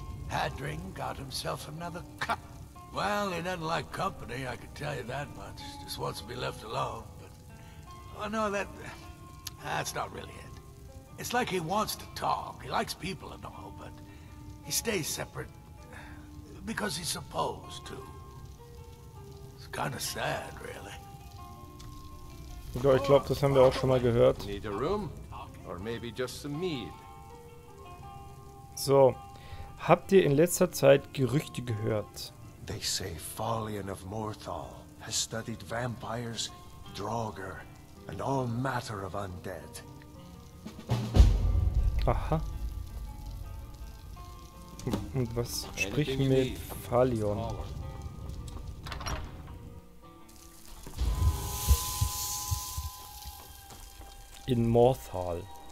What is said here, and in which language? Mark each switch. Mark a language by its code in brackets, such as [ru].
[en] Hadrin got himself another cup. Well, he doesn't like company, I can tell you that much. Just wants to be left alone, but... Oh no, that's not really it. It's like he wants to talk. He likes people and all, but... He stays separate. Because he's supposed to. It's kind of sad, really. [de] Ich glaube, das haben wir auch schon mal gehört. [en] Need a room? Or maybe just some mead. So. [de] Habt ihr in letzter Zeit Gerüchte gehört? [en] They say Falion of Morthal has studied vampires, Draugr, and all matter of undead. Aha. [de] Und was spricht mit Falion? [en] In Morthal.